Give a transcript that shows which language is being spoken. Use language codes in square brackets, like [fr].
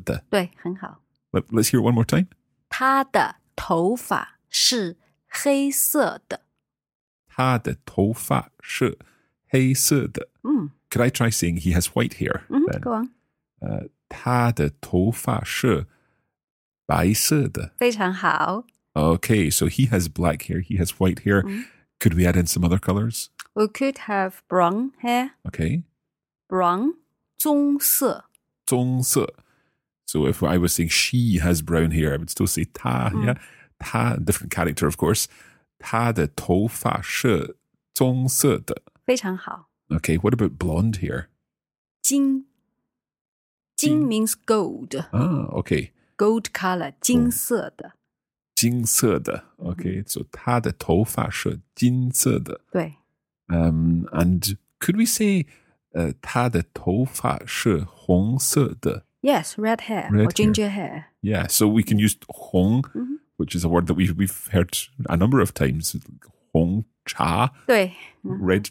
[zh] 他的头发是黑色的。对，很好。 [en] Let's hear it one more time. [zh] 他的头发是黑色的。他的头发是黑色的。 [en] Could I try saying he has white hair? Mm-hmm, go on. [zh] 他的头发是白色的。非常好。 [en] Okay, so he has black hair, he has white hair. Mm-hmm. Could we add in some other colors? We could have brown hair. Okay. Brown, [zh] 棕色. 棕色. [en] So if I was saying she has brown hair, I would still say 她, mm-hmm. yeah? [zh] 她, [en] different character, of course. [zh] 她的头发是棕色的. 非常好. [en] Okay, what about blonde hair? 金.金 means gold. Ah, okay. Gold color, [zh] 金色的. Oh. 金色的, [en] okay, so [zh] 他的头发是金色的。对。 [en] And could we say [zh] 他的头发是红色的? [en] Yes, red hair red or ginger hair. Yeah, so we can use 红, mm-hmm. which is a word that we've heard a number of times. [zh] 红茶。对。 Mm-hmm.